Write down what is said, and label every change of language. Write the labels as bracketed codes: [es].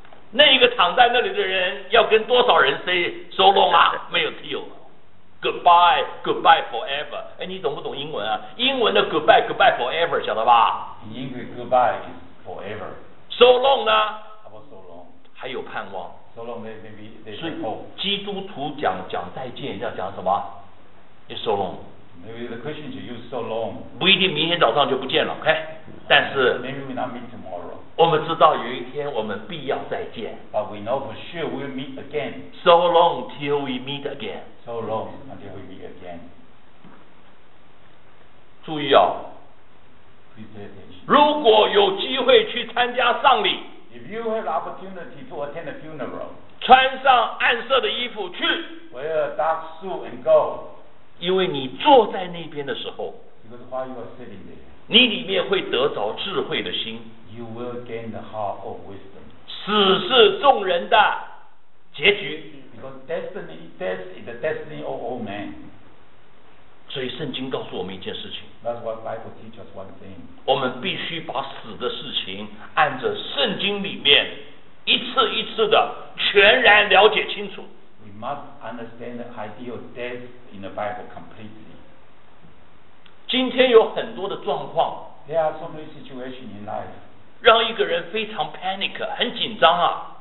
[zh] 那一个躺在那里的人要跟多少人 [en] say so long [zh] 啊？没有 [en] till。Goodbye, goodbye forever. [zh] 哎，你懂不懂英文啊？英文的 [en] goodbye, goodbye forever， [zh] 晓得吧？ [en] 英语 goodbye is forever. So long 呢？ How about so long? [zh] 还有盼望。 [en] So long, maybe there's hope. [zh] 基督徒讲再见要讲什么？ [en] It's so long. Maybe the Christian should use so long. [zh] 不一定明天早上就不见了， OK？但是 [en] maybe we not meet tomorrow. [zh] 我们知道有一天我们必要再见。 [en] But we know for sure we'll meet again. So long till we meet again. So long until we meet again. [zh] 注意哦。 [en] Please pay attention. [zh] 如果有机会去参加丧礼， [en] If you have opportunity to attend a funeral, [zh] 穿上暗色的衣服去， [en] Wear a dark suit and go. [zh] 因为你坐在那边的时候， [en] Because while you are sitting there, [zh] 你里面会得着智慧的心， [en] You will gain the heart of wisdom. [zh] 此是众人的结局。 [en] Destiny, death is the destiny of all men. [zh] 所以圣经告诉我们一件事情。 [en] That's what Bible teaches one thing. [zh] 我们必须把死的事情按着圣经里面一次一次的全然了解清楚。 [en] We must understand the idea of death in the Bible completely. [zh] 今天有很多的状况。 [en] There are so many situations in life. [zh] 让一个人非常 panic， 很紧张啊。